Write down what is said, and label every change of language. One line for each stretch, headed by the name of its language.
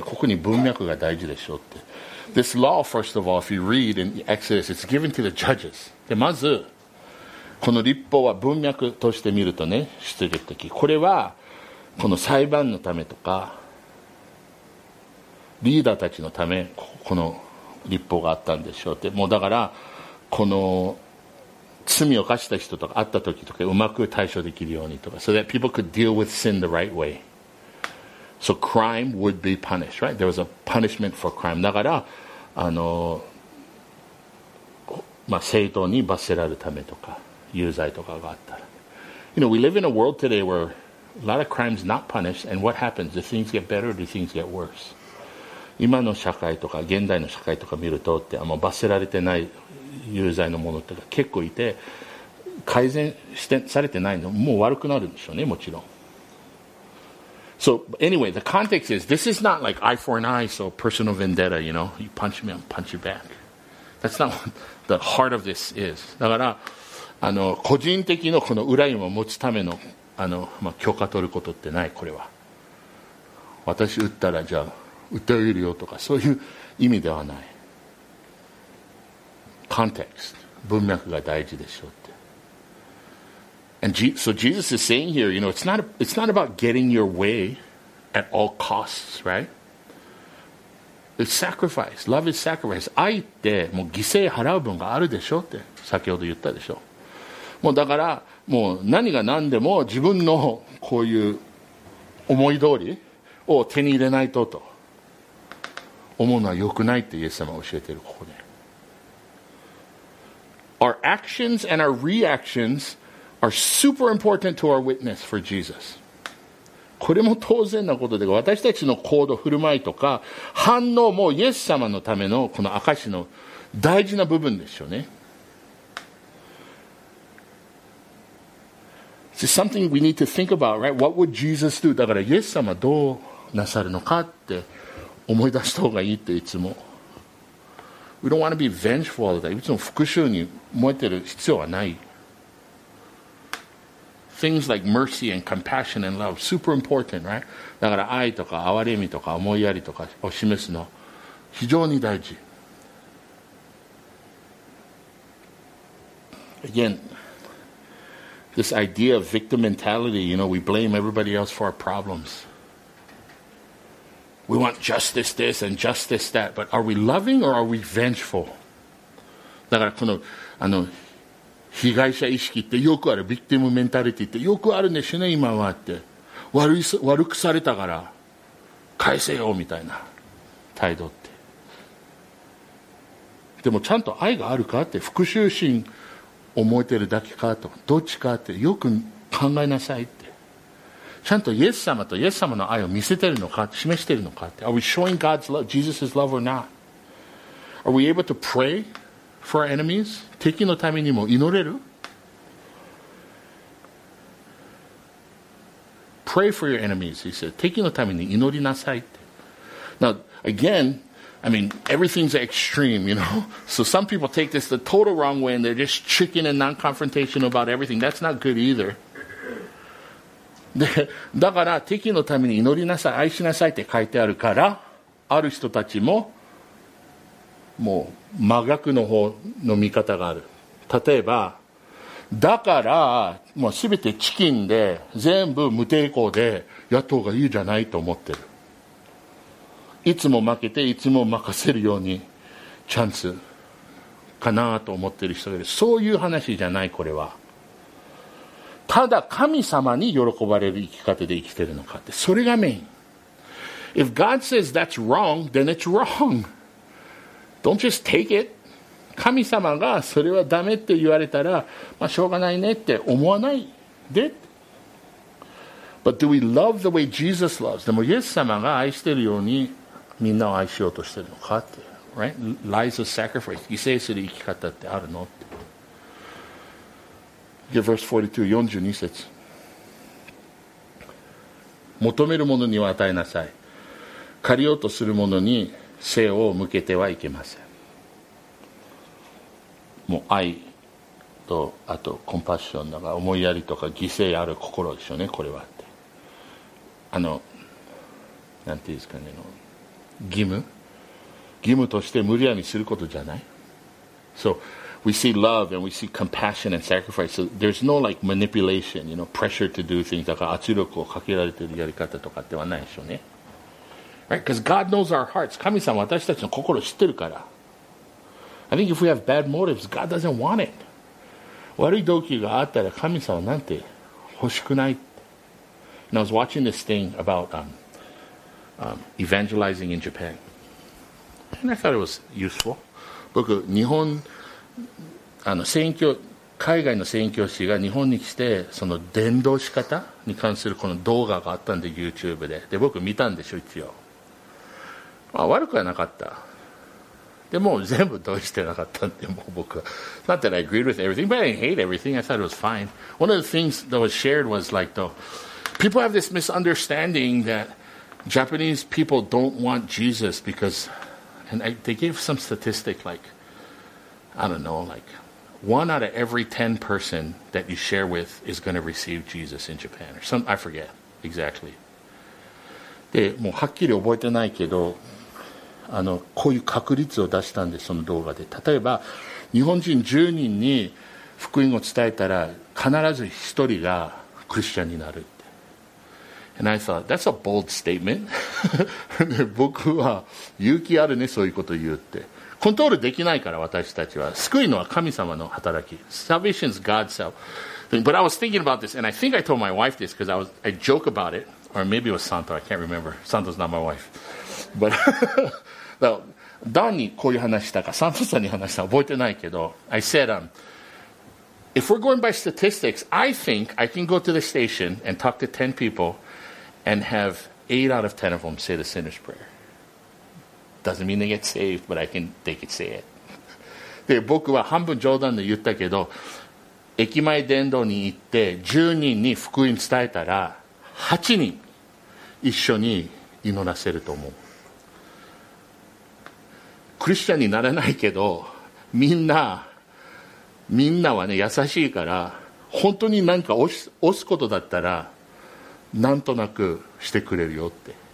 Japanese: ここに文脈が大事でしょうって。
English: This law, first of all, if you read in Exodus, it's given to the judges.
Japanese: で、まず、この立法は文脈として見るとね、出力的。これは、この裁判のためとか、リーダーたちのため、この立法があったんでしょうって。もうだから、この罪を犯した人とか、あった時とか、うまく対処できるようにとか、
English: so that people could deal with sin the right way. So crime would be punished, right? There was a punishment for crime.
Japanese: だから、正当に罰せられるためとか、有罪とかがあったら。
English: You know, we live in a world today where a lot of crimes not punished, and what happens? Do things get better or do things get worse?
Japanese: 今の社会とか、現代の社会とか見るとって、罰せられてない有罪のものとか結構いて、改善してされてないの、もう悪くなるんでしょうね、もちろん。
English: So anyway, the context is this is not like eye for an eye, so personal vendetta, you know. You punch me, I'll punch you back. That's not what the heart of this is.
Japanese: だから、個人的のこの恨みを持つための、許可取ることってない、これは。私撃ったらじゃあ、訴えるよとか、そういう意味ではない。 Context、文脈が大事でしょうって。
English: And so Jesus is saying here, you know, it's not about getting your way at all costs, right? It's sacrifice. Love is sacrifice.
Japanese: 愛ってもう犠牲払う分があるでしょって先ほど言ったでしょ。もうだからもう何が何でも自分のこういう思い通りを手に入れないとと思うのは良くないってイエス様は教えているここで。
English: Our actions and our reactionsare super important to our witness for Jesus.
Japanese: これも当然なことで、私たちの行動、振る舞いとか反応もイエス様のためのこの証の大事な部分ですよね。
English: It's something we need to think about, right? What would Jesus do?
Japanese: だからイエス様どうなさるのかって思い出した方がいいっていつも。
English: We don't want to be vengeful all the time.
Japanese: いつも復讐に燃えてる必要はない。
English: Things like mercy and compassion and love, super important, right?
Japanese: だから愛とか憐れみとか思いやりとかを示すの非常に大事。
English: Again, this idea of victim mentality, you know, we blame everybody else for our problems. We want justice this and justice that, but are we loving or are we vengeful?
Japanese: だからこの被害者意識ってよくある、ビクティムメンタリティってよくあるんですよね、今はって。悪くされたから返せよみたいな態度って。でもちゃんと愛があるかって、復讐心思えてるだけかと、どっちかってよく考えなさいって。ちゃんとイエス様とイエス様の愛を見せてるのか、示してるのかって。
English: Are we showing God's love, Jesus' love or not? Are we able to pray? For our enemies?
Japanese: 敵のためにも祈れる?
English: Pray for your enemies, he said.
Japanese: 敵のために祈りなさいって。
English: Now, again, I mean, everything's extreme, you know? So some people take this the total wrong way and they're just chicken and non-confrontational about everything. That's not good either.
Japanese: で、だから敵のために祈りなさい、愛しなさいって書いてあるから、ある人たちももう真逆の方の見方がある。例えばだからもう全てチキンで全部無抵抗でやった方がいいじゃないと思ってる。いつも負けていつも任せるようにチャンスかなと思ってる人がいる。そういう話じゃない。これはただ神様に喜ばれる生き方で生きてるのかって、それがメイン。
English: If God says that's wrong, then it's wrongDon't just take it.
Japanese: 神様がそれはダメって言われたら、まあしょうがないねって思わないで。
English: But do we love the way Jesus loves?
Japanese: でもイエス様が愛してるようにみんなを愛しようとしてるのかって
English: right? Lives of sacrifice.
Japanese: 犠牲する生き方ってあるの?
English: Verse 42,
Japanese: 42節。求める者には与えなさい。借りようとする者に背を向けてはいけません。もう愛とあとコンパッションだから思いやりとか犠牲ある心でしょうね、これはって。あの、なんていうんですかね、の義務、義務として無理やりすることじゃない。
English: So we see love and we see compassion and sacrifice. So there's no like manipulation, you know, pressure to do things.
Japanese: だから圧力をかけられてるやり方とかではないでしょうね。
English: Right? Because God knows our hearts.
Japanese: 神様は私たちの心を知ってるから。
English: I think if we have bad motives, God doesn't want it.
Japanese: 悪い動機があったら神様なんて欲しくない。
English: And I was watching this thing about evangelizing in Japan. And I thought it was useful.
Japanese: 僕、日本、あの宣教、海外の宣教師が日本に来て、その伝道仕方に関するこの動画があったんで、YouTube で。で、僕見たんでしょ、一応。まあ、悪くはなかった。でも全部同意してなかったんで、もう僕は。
English: Not that I agreed with everything, but I didn't hate everything. I thought it was fine. One of the things that was shared was like, though, people have this misunderstanding that Japanese people don't want Jesus because, and I, they gave some statistic like, I don't know, like one out of every 10 person that you share with is going to receive Jesus in Japan. Or some, I forget exactly.
Japanese: で、もうはっきり覚えてないけど、あのこういう確率を出したんです、その動画で。例えば日本人10人に福音を伝えたら必ず1人がクリスチャンになるって。
English: And I thought that's a bold statement.
Japanese: 僕は勇気あるね、そういうこと言うって。コントロールできないから、私たちは。救いのは神様の働き。
English: Salvation is God's self. But I was thinking about this and I think I told my wife this because I joke about it, or maybe it was Santo, I can't remember. Santo's not my wife.
Japanese: But well, Don にこういう話したか、サンタさんに話したか覚えてないけど、
English: I said, if we're going by statistics, I think I can go to the station and talk to 10 people and have 8 out of 10 of them say the sinner's prayer. Doesn't mean they get saved, but I can, they can say it.
Japanese: で、僕は半分冗談で言ったけど、駅前伝道に行って10人に福音伝えたら、8人一緒に祈らせると思う。クリスチャンにならないけど、みんなはね、優しいから、本当に何か押すことだったらなんとなくしてくれるよって。